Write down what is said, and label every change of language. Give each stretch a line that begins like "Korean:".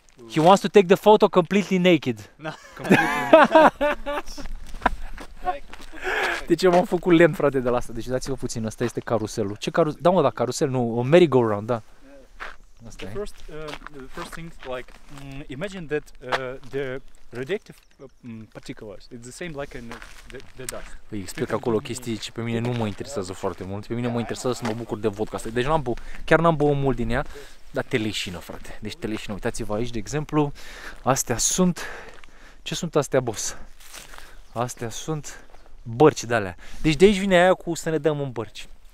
English: He wants to take the photo completely naked.
Romanian: Deci eu m-am făcut lent, frate, de la asta. Deci dați-vă puțin, asta este caruselul. Ce carusel? Da, mă, da, carusel, nu, o merry-go-round, da.
English: Okay. The first thing, like, imagine that the radioactive particles, it's the same like in the dust.
Romanian: Păi explic acolo chestii ce pe mine nu mă interesează foarte mult. Pe mine mă interesează să mă bucur de vodka asta. Deci n-am băut mult din ea, dar te leșină, frate. Deci te leșină. Uitați-vă aici, de exemplu, astea sunt... Ce sunt astea, boss? Astea sunt bărci de-alea. Deci de aici vine aia cu să ne dăm un bărci.